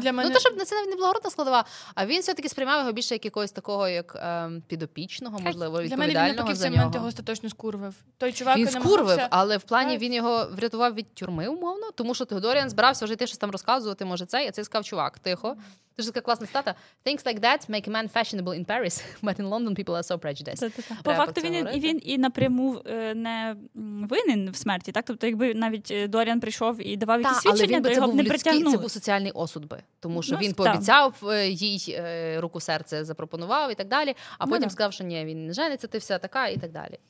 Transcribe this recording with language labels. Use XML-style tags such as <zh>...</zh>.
<uk>Для мене... Ну, то, щоб це навіть не благородна складова, а він все-таки сприймав його більше як якогось такого, як підопічного, можливо, відповідального за нього. Для мене він навпаки в цей момент остаточно скурвив. Той чувак, він скурвив, але в плані він його врятував від тюрми, умовно, тому що Теодоріан збирався вже те щось там розказувати, може це, і цей сказав, чувак, тихо. Це ж така класна стата.</uk> <en>Things like that make a man fashionable in Paris, but in London people are so prejudiced.</en> <uk>По факту він і напряму не винен в смерті, так? Тобто якби навіть Доріан прийшов і давав якісь свідчення, то його б не притягнув. Це був соціальний осуд би. Тому що він пообіцяв їй руку серце, запропонував і так далі, а потім сказав, що ні, він не жениться, ти вся така і так далі.</uk>